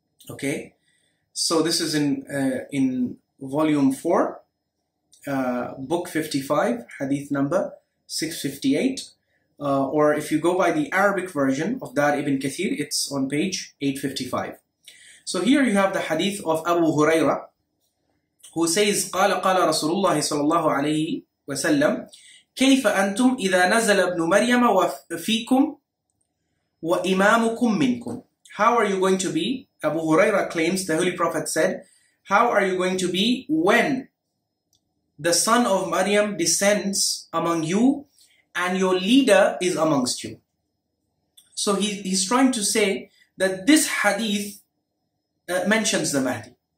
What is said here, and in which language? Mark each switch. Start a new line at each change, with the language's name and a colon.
English: Okay, so this is in volume 4, book 55, hadith number 658. Or if you go by the Arabic version of Dar ibn Kathir, it's on page 855. So here you have the hadith of Abu Huraira, who says,
Arabic: قال قال رسول الله صلى الله عليه وسلم كيف أنتم إذا نزل ابن مريم وفيكم وإمامكم منكم.
English: How are you going to be? Abu Huraira claims, the Holy Prophet said, how are you going to be when the son of Maryam descends among you and your leader is amongst you? So he's trying to say that this hadith mentions the Mahdi.